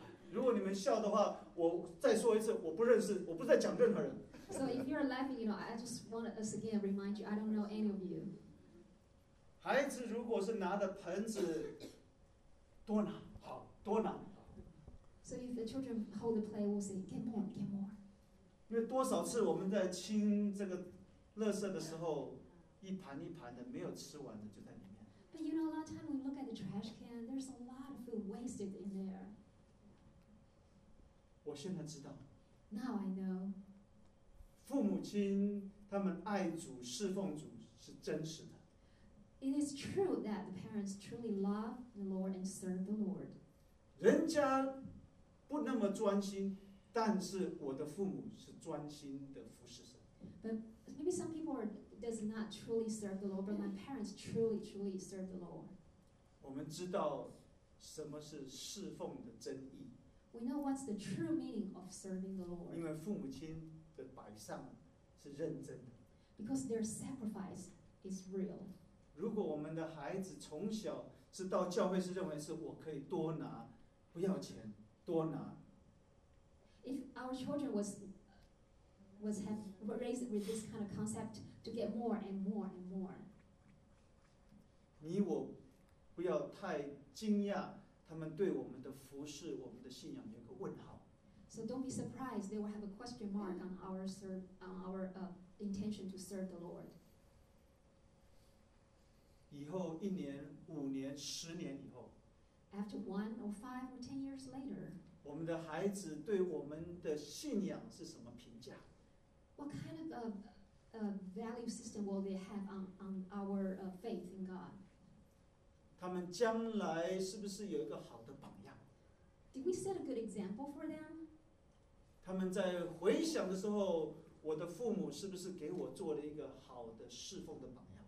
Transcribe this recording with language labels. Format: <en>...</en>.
<zh>如果你们笑的话，我再说一次，我不认识，我不再讲任何人。</zh> <en>So if you're laughing, you know, I just want to, us again remind you, I don't know any of you.</en> <zh>孩子如果是拿的盆子，多拿，好，多拿。</zh> <en>So if the children hold the plate, we'll say, get more.</en> <zh>因为多少次我们在清这个垃圾的时候，一盘一盘的没有吃完的就在里面。</zh> <en>But you know, a lot of time we look at the trash can, there's a lot of food wasted in there.</en> <zh>我现在知道。</zh> <en>Now I know.</en> <zh>父母亲他们爱主侍奉主是真实的。</zh> <en>It is true that the parents truly love the Lord and serve the Lord.</en> <zh>人家不那么专心，但是我的父母是专心的服侍神。</zh> <en>But maybe some people does not truly serve the Lord, but my parents truly serve the Lord.</en> <zh>我们知道什么是侍奉的真意。</zh> <en>We know what's the true meaning of serving the Lord.</en> <zh>因为父母亲的摆上是认真的。</zh> <en>Because their sacrifice is real.</en> <zh>如果我们的孩子从小是到教会是认为是我可以多拿，不要钱，多拿。</zh> <en>If our children were raised with this kind of concept to get more and more and more.</en> <zh>你我不要太惊讶，他们对我们的服事，我们的信仰有个问号。</zh> <en>So don't be surprised, they will have a question mark on intention to serve the Lord.</en> <zh>以后一年、五年、十年以后，</zh> <en>after 1, 5, or 10 years later,</en> <zh>我们的孩子对我们的信仰是什么评价？</zh> <en>What kind of a value system will they have on our faith in God?</en> <zh>他们将来是不是有一个好的榜样？</zh> <en>Did we set a good example for them?</en> <zh>他们在回想的时候，我的父母是不是给我做了一个好的侍奉的榜样？</zh>